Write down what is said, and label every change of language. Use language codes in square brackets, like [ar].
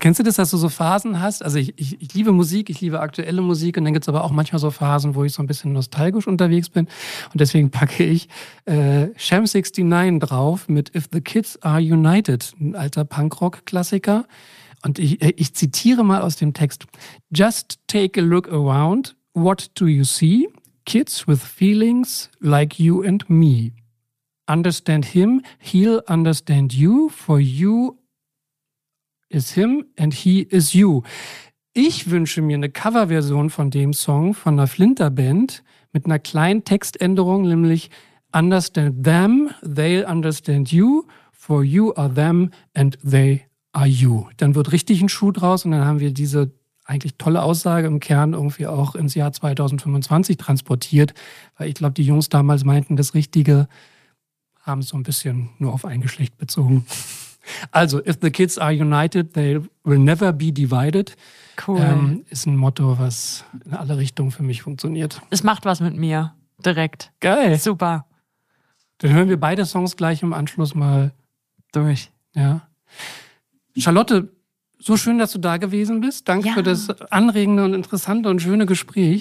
[de] Kennst du das, dass du so Phasen hast? Also ich liebe Musik, ich liebe aktuelle Musik und dann gibt es aber auch manchmal so Phasen, wo ich so ein bisschen nostalgisch unterwegs bin. Und deswegen packe ich Sham 69 drauf mit If the Kids Are United, ein alter Punkrock-Klassiker. Und ich zitiere mal aus dem Text. [en] Just take a look around. What do you see? Kids with feelings like you and me. Understand him, he'll understand you. For you is him and he is you. [de] Ich wünsche mir eine Coverversion von dem Song von einer Flinterband mit einer kleinen Textänderung, nämlich [en] Understand them, they'll understand you. For you are them and they are you. [de] Dann wird richtig ein Schuh draus und dann haben wir diese eigentlich tolle Aussage im Kern irgendwie auch ins Jahr 2025 transportiert, weil ich glaube, die Jungs damals meinten, das Richtige haben es so ein bisschen nur auf ein Geschlecht bezogen. [en] Also, if the kids are united, they will never be divided. [de] Cool. Ist ein Motto, was in alle Richtungen für mich funktioniert. Es macht was mit mir, direkt. Geil. Super. Dann hören wir beide Songs gleich im Anschluss mal durch. Ja. Charlotte, so schön, dass du da gewesen bist. Danke für das anregende und interessante und schöne Gespräch.